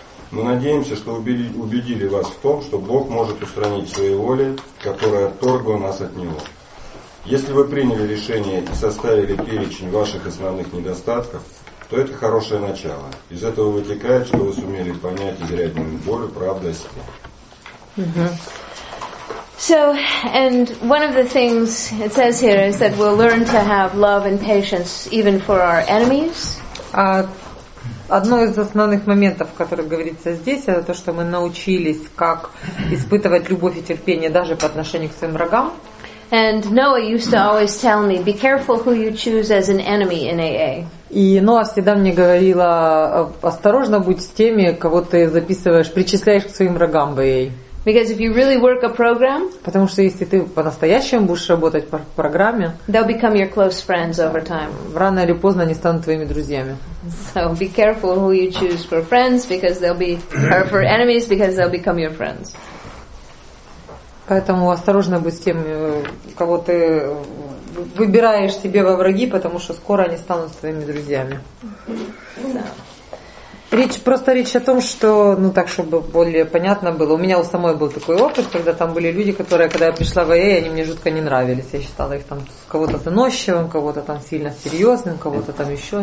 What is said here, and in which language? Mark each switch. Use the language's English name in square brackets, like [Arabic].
[Russian] Мы надеемся, что убедили вас в том, что Бог может устранить свои воли, которые отторгла нас от Него. Если вы приняли решение и составили перечень ваших основных недостатков, то это хорошее начало. Из этого вытекает, что вы сумели понять изрядную боль, правду о себе. [English] So, and one of the things it says here is that we'll learn to have love and patience even for our enemies. [Russian] Одно из основных моментов, которые говорится здесь, это то, что мы научились, как испытывать любовь и терпение даже по отношению к своим врагам. [English] And Noah used to always tell me, be careful who you choose as an enemy in AA. [Russian] И Ноа всегда мне говорила, осторожно будь с теми, кого ты записываешь, причисляешь к своим врагам в AA. [English] Because if you really work a program, [Russian] потому что если ты по-настоящему будешь работать по программе, [English] they'll become your close friends over time. [Russian] Рано или поздно они станут твоими друзьями. [English] So be careful who you choose for friends, because they'll be or for enemies, because they'll become your friends. [Russian] Поэтому осторожно быть с тем, кого ты выбираешь себе во враги, потому что скоро они станут твоими друзьями. Речь о том, что, ну так, чтобы более понятно было, у меня у самой был такой опыт, когда там были люди, которые, когда я пришла в АЭ, они мне жутко не нравились. Я считала их там кого-то заносчивым, кого-то там сильно серьезным, кого-то там еще.